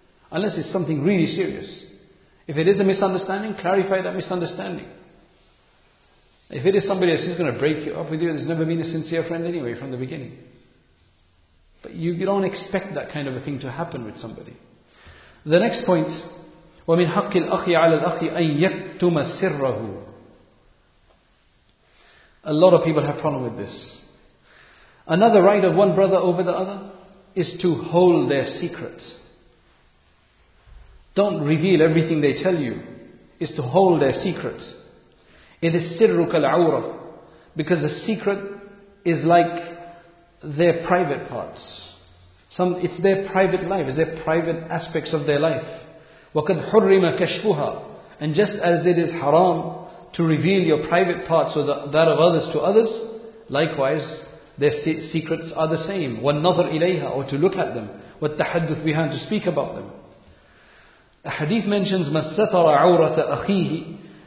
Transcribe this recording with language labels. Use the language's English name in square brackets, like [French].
[English] Unless it's something really serious. If it is a misunderstanding, clarify that misunderstanding. If it is somebody else who's going to break up with you, there's never been a sincere friend anyway from the beginning. But you don't expect that kind of a thing to happen with somebody. The next point, [Arabic] وَمِنْ حَقِّ الْأَخِي عَلَى الْأَخِي أَنْ يَكْتُمَ سِرَّهُ. [English] A lot of people have problem with this. Another right of one brother over the other is to hold their secret. Don't reveal everything they tell you. It's to hold their secret. It is [Arabic] سِرُّكَ الْعَوْرَةِ. [English] Because the secret is like their private parts. It's their private life. It's their private aspects of their life. [Arabic] وَقَدْ حُرِّمَ كَشْفُهَا. [English] And just as it is haram to reveal your private parts or that of others to others, likewise, their secrets are the same. [Arabic] وَالنَّظَرْ إِلَيْهَا. [English] Or to look at them. [Arabic] وَالتَّحَدُّثْ بِهَا. [English] To speak about them. A hadith mentions, [Arabic] مَنْ سَتَرَ عَوْرَةَ أَخِيهِ.